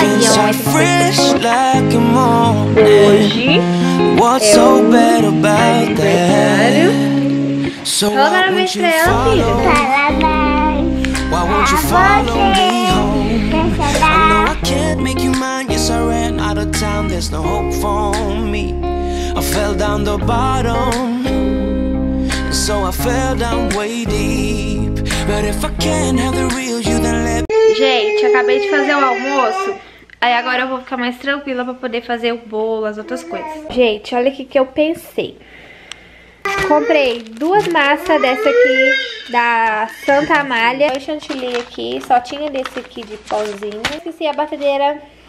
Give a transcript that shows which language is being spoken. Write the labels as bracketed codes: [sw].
[pt] E hoje é o aniversário. Qual o nome pra ela, filha? [en] There's no hope for me. I fell down the bottom, so I fell down way deep. But if I can't have the real you, then let me. [pt] Gente, acabei de fazer o almoço. Aí agora eu vou ficar mais tranquila pra poder fazer o bolo, as outras coisas. Gente, olha o que eu pensei. Comprei duas massas dessa aqui, da Santa Amália. O chantilly aqui, só tinha desse aqui de pozinho. Esqueci a batedeira.